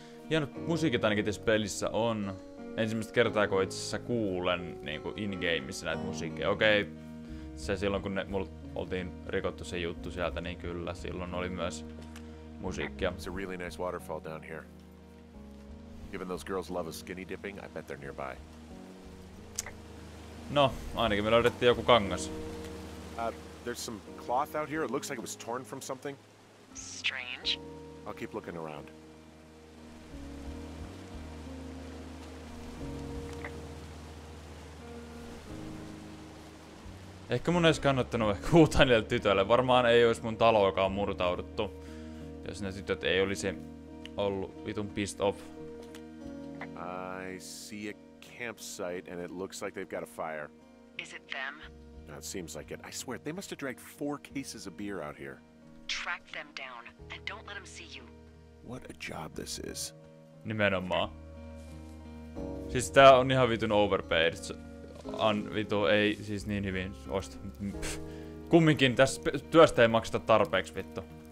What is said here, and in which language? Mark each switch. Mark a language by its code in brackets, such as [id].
[fi] Ja hienot musiikit ainakin tässä pelissä on. Ensimmäistä kertaa, kun itse asiassa kuulen niinku in-gameissa näitä musiikkeja. Okei, se silloin kun mulla oltiin rikottu se juttu sieltä, niin kyllä silloin oli myös musiikkia. [en] It's a really nice waterfall down here. Given those girls love a skinny dipping, I bet they're nearby. [fi] No, ainakin me löydettiin joku kangas. [en] There's some cloth out here. It looks like it was torn from something. Strange. I'll keep looking around. [fi] Ehkä mun ei olisi kannattanut huutaa niille tytöille. Varmaan ei olisi mun taloakaan murtauduttu, jos ne tytöt ei olisi ollut vitun [en] pissed off. I see a campsite and it looks like they've got a fire. Is it them? No, it seems like it. I swear, they must have dragged 4 cases of beer out here. Track them down and don't let them see you. What a job this is. [fi] Nimenomaan. Siis tää on ihan vitun overpaid. An vito ei siis niin hyvin osta. Kumminkin tässä työstä ei makseta tarpeeksi vittu.